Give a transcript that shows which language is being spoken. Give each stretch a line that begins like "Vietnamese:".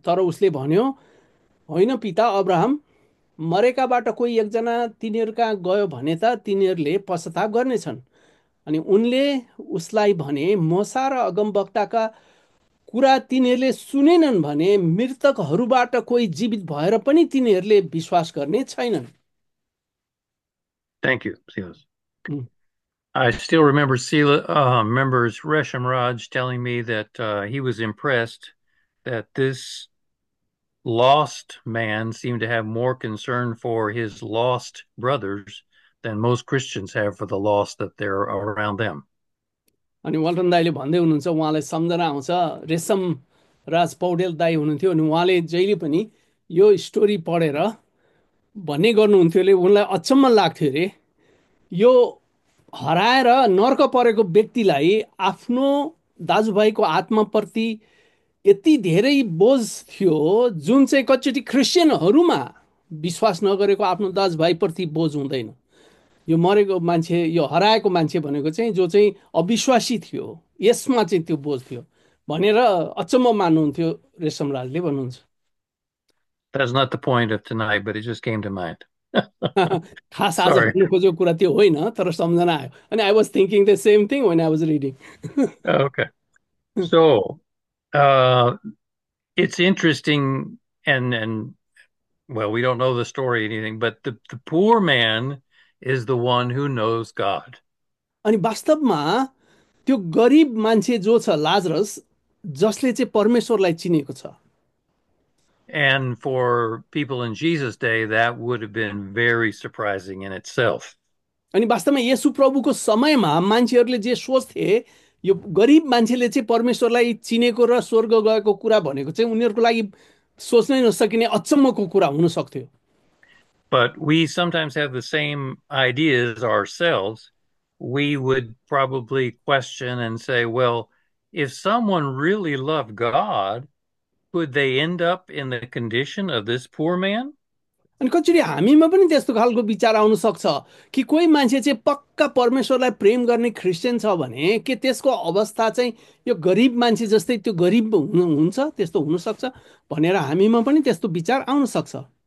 Nepali: तर उसले भन्यो, होइन पिता अब्राहम, मरेकाबाट कोही एकजना तिनीहरू कहाँ गयो भने त तिनीहरूले पश्चाताप गर्नेछन्। अनि उनले उसलाई भने, मोसा र अगमवक्ताका कुरा तिनीहरूले सुनेनन् भने मृतकहरूबाट कोही जीवित भएर पनि तिनीहरूले विश्वास गर्ने छैनन्।
English: Thank you, Silas. I still remember members Resham Raj telling me that he was impressed that this lost man seemed to have more concern for his lost brothers than most Christians have for the lost that they're around them.
Nepali: अनि Walton दाईले भन्दै हुनुहुन्छ, उहाँलाई सम्झना आउँछ, रेशम राज पौडेल दाई हुनुहुन्थ्यो, अनि उहाँले जहिले पनि यो स्टोरी पढेर भन्ने गर्नुहुन्थ्यो अरे, उनलाई अचम्म लाग्थ्यो अरे, यो हराएर नर्क परेको व्यक्तिलाई आफ्नो दाजुभाइको आत्माप्रति यति धेरै बोझ थियो, जुन चाहिँ कचोटि क्रिस्चियनहरूमा विश्वास नगरेको आफ्नो दाजुभाइप्रति बोझ हुँदैन। यो मरेको मान्छे, यो हराएको मान्छे भनेको चाहिँ जो चाहिँ अविश्वासी थियो, यसमा चाहिँ त्यो बोझ थियो भनेर अचम्म मान्नुहुन्थ्यो रेशमराजले भन्नुहुन्छ।
English: That's not the point of tonight, but it just came to mind.
Nepali: खास आज
English: Sorry.
Nepali: भन्नु खोजेको कुरा त्यो होइन, तर सम्झना आयो, अनि
English: I was thinking the same thing when I was reading. Okay. So, it's interesting, and well, we don't know the story or anything, but the poor man is the one who knows God.
Nepali: अनि वास्तवमा त्यो गरिब मान्छे जो छ Lazarus, जसले चाहिँ परमेश्वरलाई चिनेको छ,
English: And for people in Jesus' day, that would have been very surprising in itself.
Nepali: अनि वास्तवमा येशु प्रभुको समयमा मान्छेहरूले जे सोच्थे, यो गरिब मान्छेले चाहिँ परमेश्वरलाई चिनेको र स्वर्ग गएको कुरा भनेको चाहिँ उनीहरूको लागि सोच्नै नसकिने अचम्मको कुरा हुन सक्थ्यो।
English: But we sometimes have the same ideas ourselves. We would probably question and say, well, if someone really loved God, could they end up in the condition of this poor man?
Nepali: अनि कचोटि हामीमा पनि त्यस्तो खालको विचार आउन सक्छ कि कोही मान्छे चाहिँ पक्का परमेश्वरलाई प्रेम गर्ने क्रिस्चियन छ भने के त्यसको अवस्था चाहिँ यो गरिब मान्छे जस्तै, त्यो गरिब हुन्छ, त्यस्तो हुनसक्छ भनेर हामीमा पनि त्यस्तो विचार आउन सक्छ।